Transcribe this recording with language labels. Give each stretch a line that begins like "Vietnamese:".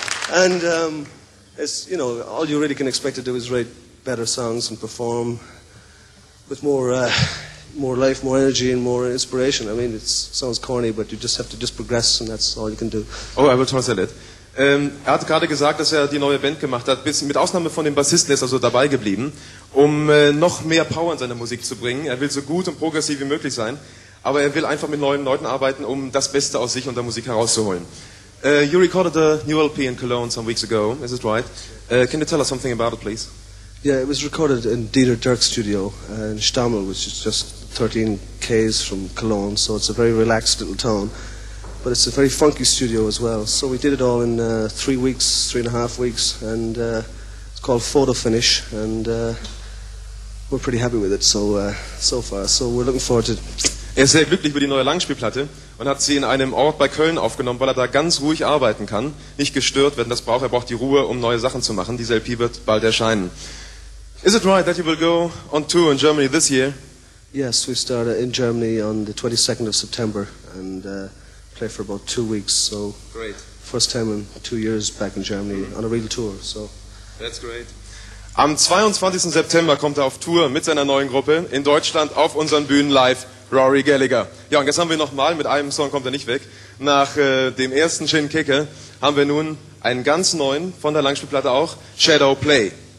English: And it's, you know, all you really can expect to do is write better songs and perform with more more life, more energy, and more inspiration. I mean, it sounds corny, but you just have to just progress, and that's all you can do. Oh, I will translate it.
German: Er hat gerade gesagt, dass er die neue Band gemacht hat, mit Ausnahme von dem Bassisten ist also dabei geblieben, um noch mehr Power in seine Musik zu bringen. Er will so gut und progressiv wie möglich sein, aber er will einfach mit neuen Leuten arbeiten, um das Beste aus sich und der Musik herauszuholen.
English: You recorded a new LP in Cologne some weeks ago, is it right? Can you tell us something about it, please? Yeah, it was recorded in Dieter Dirk's studio in Stammel, which is just 13 k's from Cologne, so it's a very relaxed little town. But it's a very funky studio as well. So we did it all in 3 weeks, 3.5 weeks, and it's called Photo Finish, and we're pretty happy with it so far. So we're looking forward to it.
German: Er ist sehr glücklich über die neue Langspielplatte und hat sie in einem Ort bei Köln aufgenommen, weil er da ganz ruhig arbeiten kann, nicht gestört werden. Das braucht er, braucht die Ruhe, um neue Sachen zu machen. Diese LP wird bald erscheinen.
English: Is it right that you will go on tour in Germany this year? Yes, we start in Germany on the 22nd of September and play for about 2 weeks. So great. First time in 2 years back in Germany on a real tour. So that's great.
German: Am 22. September kommt er auf Tour mit seiner neuen Gruppe in Deutschland auf unseren Bühnen live. Rory Gallagher. Ja, und jetzt haben wir nochmal, mit einem Song kommt er nicht weg, nach dem ersten Gin Kicker haben wir nun einen ganz neuen, von der Langspielplatte auch, Shadow Play.